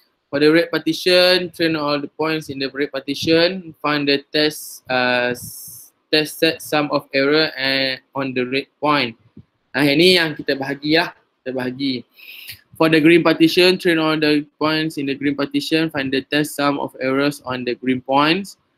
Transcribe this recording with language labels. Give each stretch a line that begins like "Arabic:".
English: For the red partition, train all the points in the red partition. Find the test set sum of error and on the red point.
Malay: Ini yang kita bahagi lah, kita bahagi.
English: For the green partition, train all the points in the green partition. Find the test sum of errors on the green points.